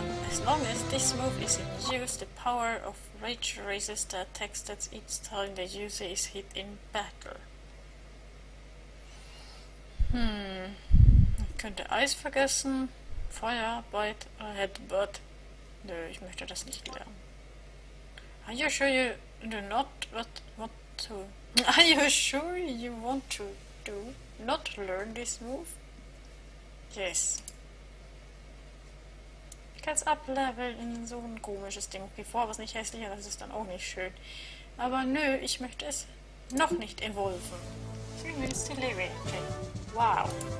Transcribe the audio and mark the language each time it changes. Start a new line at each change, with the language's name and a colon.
English: As long as this move is in use, the power of Rage raises the attack stats each time the user is hit in battle.
German: Ich könnte Eis vergessen, Feuer, Bite, oder Headbutt. Nö, ich möchte das nicht lernen.
English: Are you sure you do not want to? Are you sure you want to do not learn this move? Yes.
German: Ich kann es upleveln in so ein komisches Ding. Okay, vorher war es nicht hässlich, das ist dann auch nicht schön. Aber nö, ich möchte es noch nicht evolven. Tschüss, Levi. Okay. Wow.